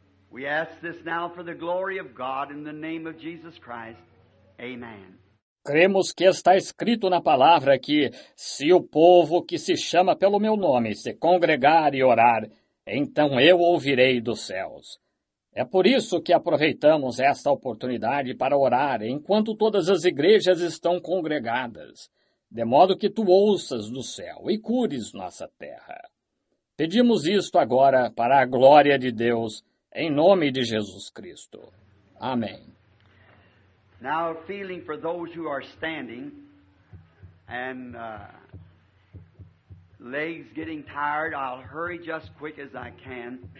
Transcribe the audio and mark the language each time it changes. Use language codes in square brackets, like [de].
[en] We ask this now for the glory of God in the name of Jesus Christ. Amen. [pt] Cremos que está escrito na palavra que, se o povo que se chama pelo meu nome se congregar e orar, então eu ouvirei dos céus. É por isso que aproveitamos esta oportunidade para orar enquanto todas as igrejas estão congregadas, de modo que tu ouças do céu e cures nossa terra. Pedimos isto agora para a glória de Deus, em nome de Jesus Cristo. Amém. [en] Now, feeling for those who are standing and legs getting tired, I'll hurry just quick as I can.